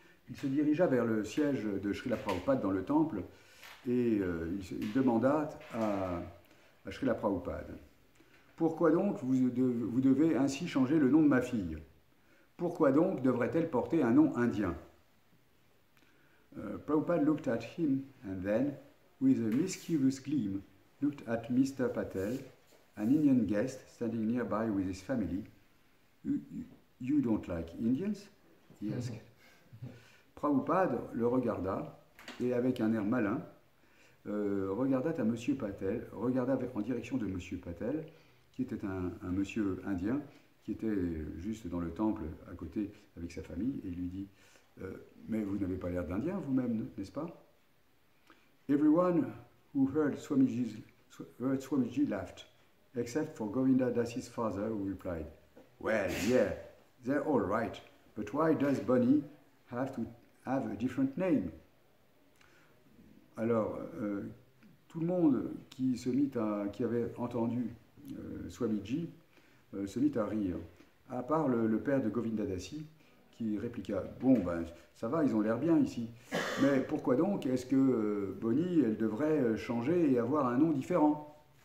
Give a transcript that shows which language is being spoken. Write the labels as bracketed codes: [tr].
[fr] Il se dirigea vers le siège de Srila Prabhupada dans le temple et il demanda à Srila Prabhupada: "Pourquoi donc vous devez ainsi changer le nom de ma fille? Pourquoi donc devrait-elle porter un nom indien?" [en] Prabhupada looked at him and then, with a mischievous gleam, looked at Mr. Patel, an Indian guest standing nearby with his family. You don't like Indians?" he asked. [fr] Prabhupada le regarda et avec un air malin, regarda en direction de Monsieur Patel, qui était un monsieur indien, qui était juste dans le temple à côté avec sa famille, et il lui dit mais vous n'avez pas l'air d'Indien vous-même, n'est-ce pas? [en] Everyone who heard Swamiji laughed, except for Govinda Dasi's father, who replied, well, yeah, they're all right, but why does Bonnie have to have a different name? [fr] Alors, tout le monde qui avait entendu Swamiji se mit à rire, à part le père de Govinda Dasi, qui répliqua, bon, ben, ça va, ils ont l'air bien ici, mais pourquoi donc est-ce que Bonnie, elle devrait changer et avoir un nom différent?